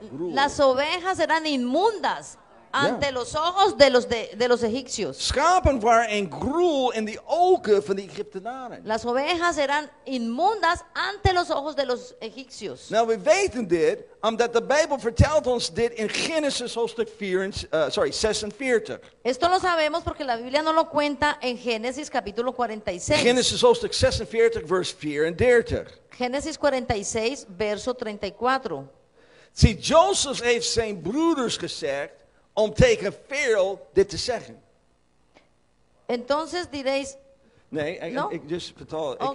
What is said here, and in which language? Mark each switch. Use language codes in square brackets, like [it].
[es] Las ovejas eran inmundas ante los ojos de los egipcios. [nl] Schapen waren een gruwel in de ogen van de Egyptenaren. [es] Las ovejas eran inmundas ante los ojos de los egipcios. [nl] Nou, we weten dit omdat de Bijbel vertelt ons dit in Genesis hoofdstuk 46. [es] Esto lo sabemos porque la Biblia no lo cuenta en Génesis capítulo 46. [nl] Genesis hoofdstuk 46 vers 34. [es] Génesis 46 verso 34. [nl] See, Joseph heeft zijn broeders gezegd om tegen Farao dit te zeggen. [es] Entonces diréis. [nl] Nee, no? Ik dus vertel. Okay.